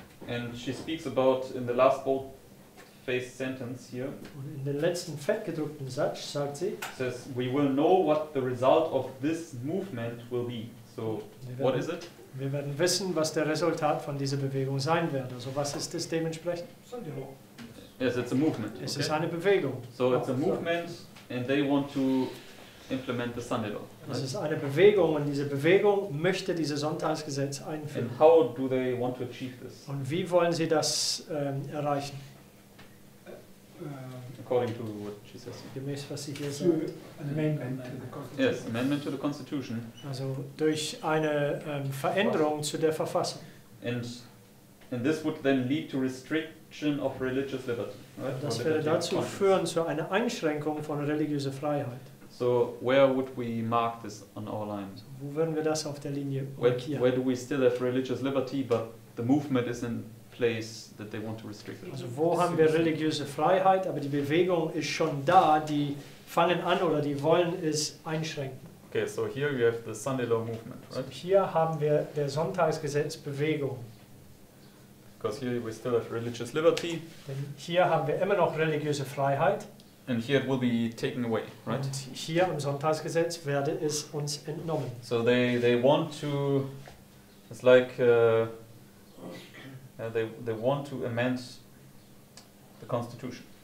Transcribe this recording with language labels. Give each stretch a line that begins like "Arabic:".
English: And she speaks about in the last bold faced sentence here.
German: Und in den letzten fettgedruckten Satz sagt sie,
English: says we will know what the result of this movement will be. So what is it?
German: Wir werden wissen, was der Resultat von dieser Bewegung sein wird. Also was ist es dementsprechend?
English: Sunday law. Yes, it's a movement.
German: Es ist eine Bewegung.
English: So it's a movement and they want to implement the Sunday law. Right?
German: Es ist eine Bewegung und diese Bewegung möchte dieses Sonntagsgesetz einführen.
English: And how do they want to achieve this?
German: Und wie wollen sie das erreichen?
English: According to what she says.
German: Gemäß was sie hier sagt.
English: Amendment to the Constitution. Yes, amendment to the Constitution.
German: Also durch eine Veränderung zu der Verfassung.
English: And this would then lead to restriction of religious liberty. Right?
German: Das würde dazu führen zu einer Einschränkung von religiöser Freiheit.
English: So where would we mark this on our line?
German: Wo würden wir das auf der Linie markieren?
English: Where do we still have religious liberty, but the movement is in place that they want to restrict it?
German: Also wo haben wir religiöse Freiheit, aber die Bewegung ist schon da, die fangen an oder die wollen es einschränken.
English: Okay, so here we have the Sunday law movement, right?
German: So hier haben wir der Sonntagsgesetzbewegung.
English: Because here we still have religious liberty.
German: Denn hier haben wir immer noch religiöse Freiheit.
English: And here it will be taken away, right?
German: Und hier im Sonntagsgesetz werde es uns entnommen.
English: So they want to, it's like they want to amend the constitution.